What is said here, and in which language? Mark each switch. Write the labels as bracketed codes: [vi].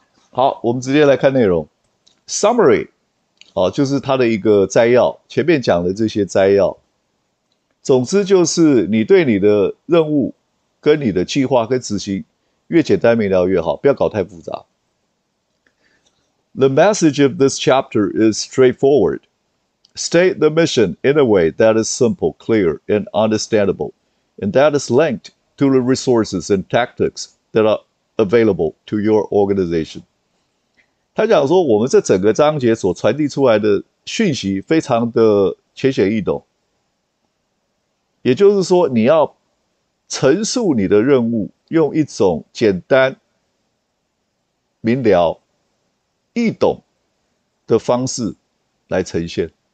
[zh] 好，我们直接来看内容 ，summary。就是他的一个摘要，前面讲的这些摘要。总之就是你对你的任务跟你的计划跟执行越简单明了越好，不要搞太复杂。 [en] The message of this chapter is straightforward. State the mission in a way that is simple, clear, and understandable, and that is linked to the resources and tactics that are available to your organization. [zh] 他讲说我们这整个章节所传递出来的讯息非常的浅显易懂。也就是说你要陈述你的任务用一种简单明了易懂的方式来呈现。